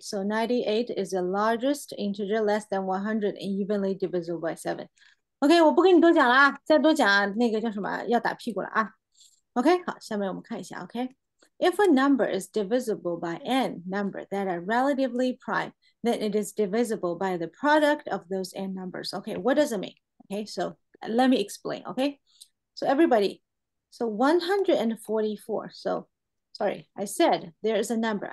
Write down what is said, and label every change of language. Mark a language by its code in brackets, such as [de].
[en] So 98 is the largest integer less than 100 and evenly divisible by 7. [zh] Okay, 我不跟你多讲了啊，再多讲啊，那个叫什么，要打屁股了啊。 Okay, 好，下面我们看一下, okay? [en] If a number is divisible by n number that are relatively prime, then it is divisible by the product of those n numbers. Okay, what does it mean? Okay, so let me explain, okay? So everybody, so 144, so sorry, I said there is a number.